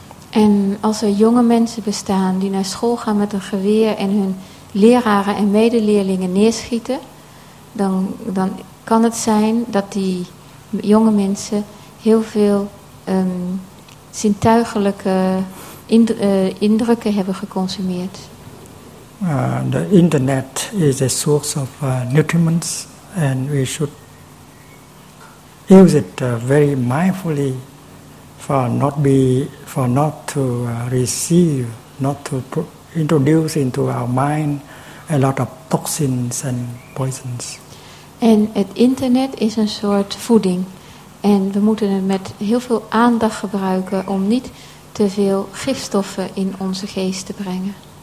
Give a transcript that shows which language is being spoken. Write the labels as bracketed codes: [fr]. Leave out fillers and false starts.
[nl] En als er jonge mensen bestaan die naar school gaan met een geweer en hun leraren en medeleerlingen neerschieten, dan kan het zijn dat die jonge mensen heel veel zintuigelijke indrukken hebben geconsumeerd. [en] The internet is a source of nutriments, and we should use it very mindfully for not to introduce into our mind a lot of toxins and poisons. [nl] En het internet is een soort voeding, en we moeten het met heel veel aandacht gebruiken om niet te veel gifstoffen in onze geest te brengen.